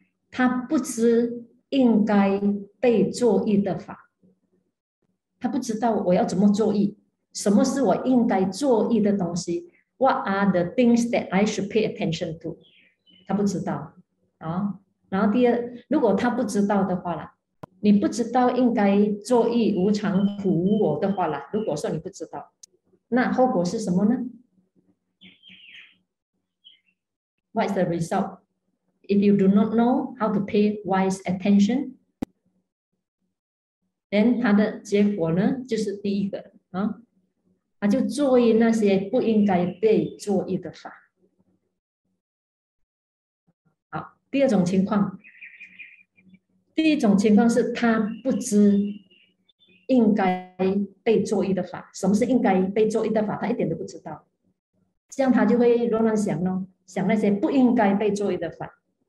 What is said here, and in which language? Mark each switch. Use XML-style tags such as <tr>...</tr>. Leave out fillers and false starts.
<zh>他不知应该被作意的法，他不知道我要怎么作意，什么是我应该作意的东西，</zh> <en>What are the things that I should pay attention to，</en> <zh>他不知道啊。然后第二，如果他不知道的话啦，你不知道应该作意无常苦无我的话啦，如果说你不知道，那后果是什么呢？</zh> <en>What is the result if you do not know how to pay wise attention？</en> <zh>Then 他的结果呢，就是第一个啊，他就作意那些不应该被作意的法。第二种情况，第一种情况是他不知应该被作意的法，什么是应该被作意的法，他一点都不知道，这样他就会乱乱想咯，想那些不应该被作意的法。</zh>